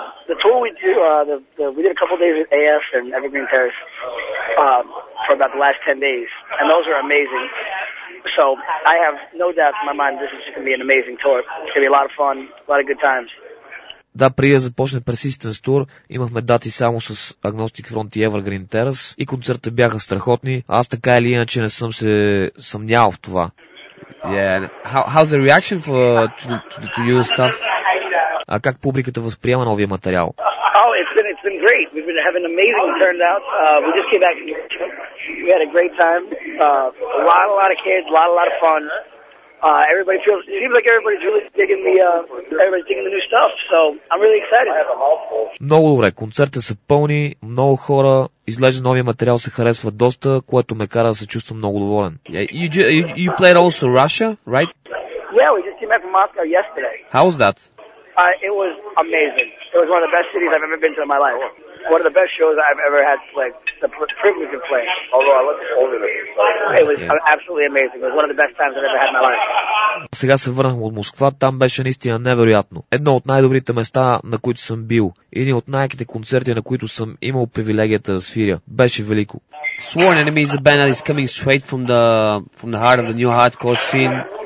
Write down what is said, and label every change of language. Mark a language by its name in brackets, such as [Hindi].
[English] The tour we do, we did a couple days with AF and Evergreen Terrace for about the last 10 days, and those are amazing. So I have no doubt in my mind this is going to be an amazing tour. It's going to be a lot of fun, a lot of good times. [Bulgarian] Да, преди да започне Persistence Tour, имахме дати само с Agnostic Front и Evergreen Terrace, и концертите бяха страхотни. Аз така или иначе не съм се съмнявал в това. [English] Yeah, how's the reaction to your stuff? [Bulgarian] А как публиката възприема новия материал? [English] Oh, it's been great. We've been having amazing turnout. We just came back. We had a great time. A lot of kids, a lot of fun. Everybody feels, it seems like everybody's really digging the new stuff. So, I'm really excited. [Bulgarian] Много добре. Концертите са пълни, много хора. Изглежда новия материал се харесва доста, което ме кара да се чувствам много доволен. [English] You played also Russia, right? Yeah, we just came back from Moscow yesterday. How's that? It was amazing. It was one of the best cities I've ever been to in my life. One of the best shows I've ever had, like, the privilege of playing. Although I look older than you. It was absolutely amazing. It was one of the best times I've ever had in my life. [Bulgarian] Сега се върнахме от Москва, там беше наистина невероятно. Едно от най-добрите места, на които съм бил. Един от най-яките концерти, на които съм имал привилегията да свиря. Беше велико. [English] Sworn Enemy is a band that is coming straight from the heart of the new hardcore scene.